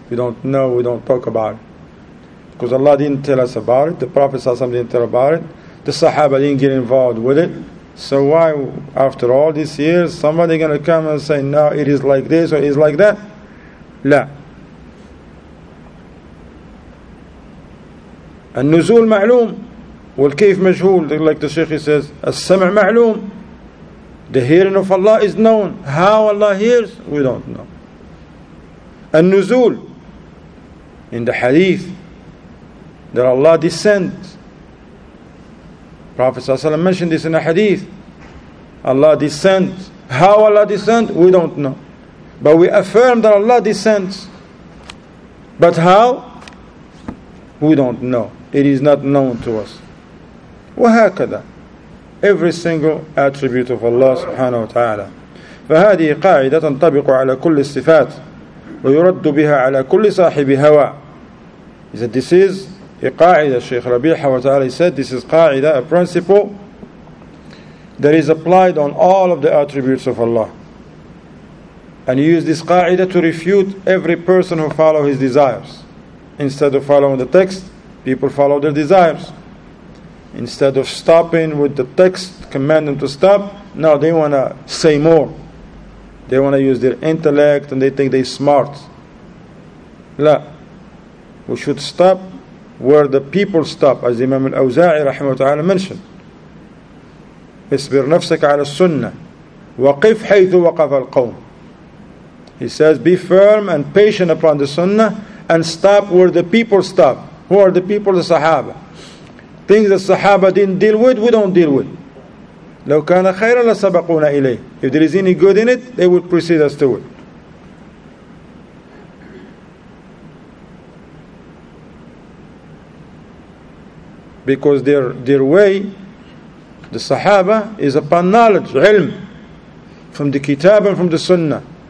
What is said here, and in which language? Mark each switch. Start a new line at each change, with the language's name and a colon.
English: We don't know, we don't talk about it. Because Allah didn't tell us about it, the Prophet ﷺ didn't tell about it, the Sahaba didn't get involved with it. So why, after all these years, somebody going to come and say, no, it is like this or it is like that?
Arabic: لا. النزول معلوم والكيف مجهول.
English: Like the Sheikh says,
Arabic: السمع معلوم.
English: The hearing of Allah is known. How Allah hears, we don't know. النزول, in the hadith, that Allah descends. Prophet ﷺ mentioned this in a hadith. Allah descends. How Allah descends, we don't know. But we affirm that Allah descends. But how? We don't know. It is not known to us.
Arabic: وهكذا.
English: Every single attribute of Allah subhanahu wa ta'ala.
Arabic: فهذه قاعدة تنطبق على كل الصفات ويرد بها على كل صاحب هوى.
English: He said this is a qa'idah. Shaykh Rabi'a wa ta'ala said this is qa'idah, a principle that is applied on all of the attributes of Allah. And he used this qa'idah to refute every person who follow his desires. Instead of following the text, people follow their desires. Instead of stopping with the text, command them to stop, now they want to say more. They want to use their intellect and they think they're smart. La. We should stop where the people stop, as Imam al-Awza'i rahimahu ta'ala mentioned.
Arabic: اسبر نفسك على السنة وقف حيث وقف القوم.
English: He says, be firm and patient upon the sunnah and stop where the people stop. Who are the people? The Sahaba. Things that Sahaba didn't deal with, we don't deal with.
Arabic: لو كان خيرا لسبقونا إليه.
English: If there is any good in it, they would precede us to it. Because their way, the Sahaba, is upon knowledge, علم, from the Kitab and from the Sunnah.